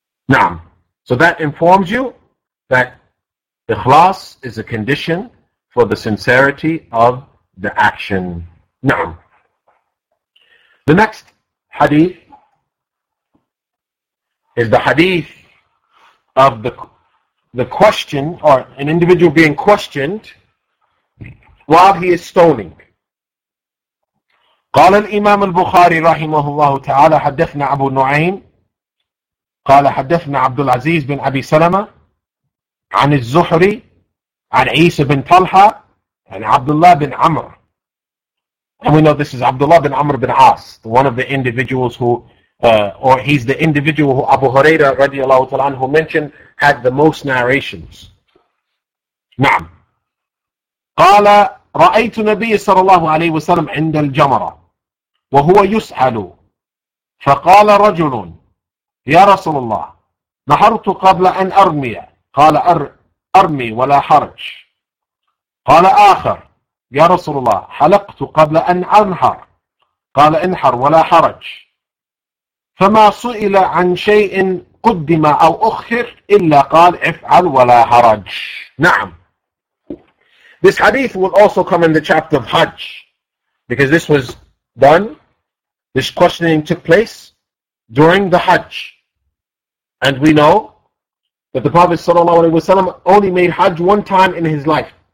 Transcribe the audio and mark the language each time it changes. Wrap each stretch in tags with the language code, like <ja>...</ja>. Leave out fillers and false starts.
<en>Naam. So that informs you that ikhlas is a condition for the sincerity of the action. Naam. The next hadith is the hadith of the question, or an individual being questioned while he is stoning.</en> <ar>قال الإمام البخاري رحمه الله تعالى حدثنا أبو نعيم قال حدثنا عبد العزيز بن أبي سلمة عن الزهري عن عيسى بن طلحة عن عبد الله بن عمر.</ar> <en>And we know this is Abdullah bin Amr bin As, one of the individuals who, or he's the individual who Abu Huraira radiallahu ta'ala anhu mentioned had the most narrations.</en> <ar>نعم. قال رأيت النبي صلى الله عليه وسلم عند الجمرة وهو يسأل فقال رجل يا رسول الله نحرت قبل أن أرمي قال أرمي ولا حرج قال آخر يا رسول الله حلقت قبل أن أنحر قال انحر ولا حرج فما سئل عن شيء قدم أو أخر إلا قال افعل ولا حرج. نعم.</ar> <en>This hadith will also come in the chapter of Hajj, because this was done, this questioning took place during the Hajj. And we know that the Prophet sallallahu alaihi wasallam only made Hajj one time in his life.</en>